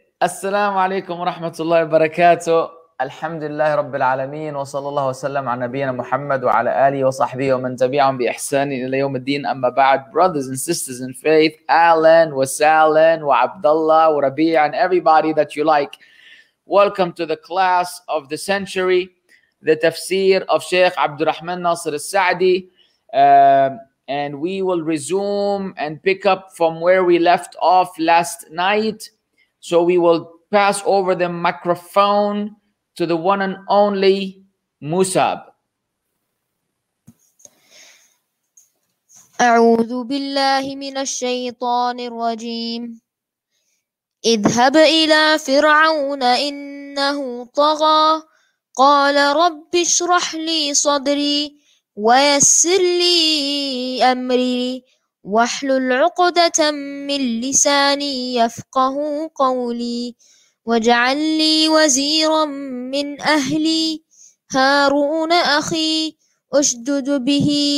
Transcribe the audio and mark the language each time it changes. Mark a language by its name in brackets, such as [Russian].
[Arabic] السلام عليكم ورحمة الله وبركاته. الحمد لله رب العالمين، وصلى الله وسلم على نبينا محمد وعلى آله وصحبه ومن تبعهم بإحسان إلى يوم الدين. أما بعد، [English] brothers and sisters in faith, Alan وسالن وعبد الله وربيع and everybody that you like, welcome to the class of the century, the tafsir of Sheikh عبد الرحمن ناصر السعدي. And we will resume and pick up from where we left off last night. So we will pass over the microphone to the one and only Musab. [Arabic] أعوذ بالله من الشيطان الرجيم. اذهب إلى فرعون إنه طغى. قال رب اشرح لي صدري ويسر لي أمري واحلل عقدة من لساني يفقه قولي واجعل لي وزيرا من أهلي هارون أخي أشدد به